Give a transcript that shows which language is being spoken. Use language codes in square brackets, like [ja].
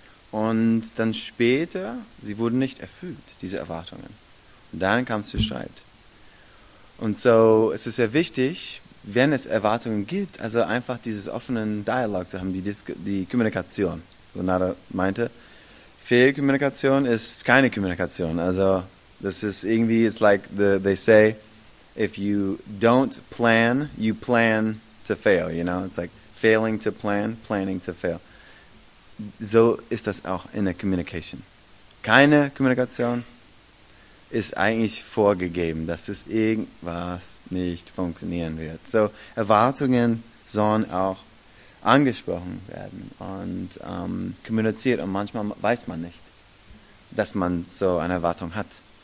[de] Und dann später, sie wurden nicht erfüllt, diese Erwartungen. Und dann kam es zu Streit. Und so, es ist sehr wichtig, wenn es Erwartungen gibt, also einfach dieses offenen Dialog zu haben, die Kommunikation. So Nada meinte, Fehlkommunikation ist keine Kommunikation. Also, das ist irgendwie, [en] it's like they say, if you don't plan, you plan to fail, you know? It's like failing to plan, planning to fail. [de] So ist das auch in der Communication. Keine Kommunikation ist eigentlich vorgegeben, dass es irgendwas nicht funktionieren wird. So, Erwartungen sollen auch angesprochen werden und kommuniziert. Und manchmal weiß man nicht, dass man so eine Erwartung hat.